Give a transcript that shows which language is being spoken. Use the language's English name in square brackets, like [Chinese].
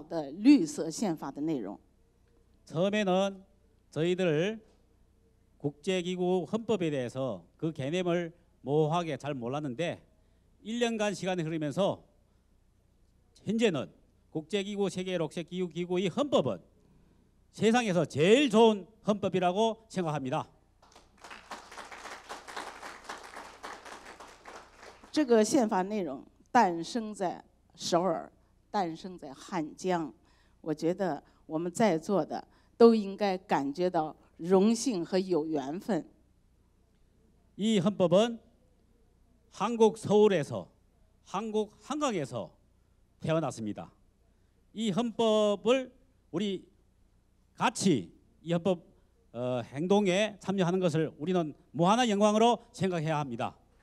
[Chinese] 越来越感觉到组织的宪法内容是世界上最好的绿色宪法的内容. [Korean] 처음에는 저희들 국제기구 헌법에 대해서 그 개념을 모호하게 잘 몰랐는데 1년간 시간이 흐르면서 현재는 국제기구 세계 녹색기후기구의 헌법은 세상에서 제일 좋은 헌법이라고 생각합니다. [Chinese] 这个宪法内容诞生在首尔，诞生在汉江。我觉得我们在座的都应该感觉到荣幸和有缘分。 [Korean] 이 헌법은 한국 서울에서 한국 한강에서 태어났습니다. 이 헌법을 우리 같이 이 헌법 행동에 참여하는 것을 우리는 무한한 영광으로 생각해야 합니다.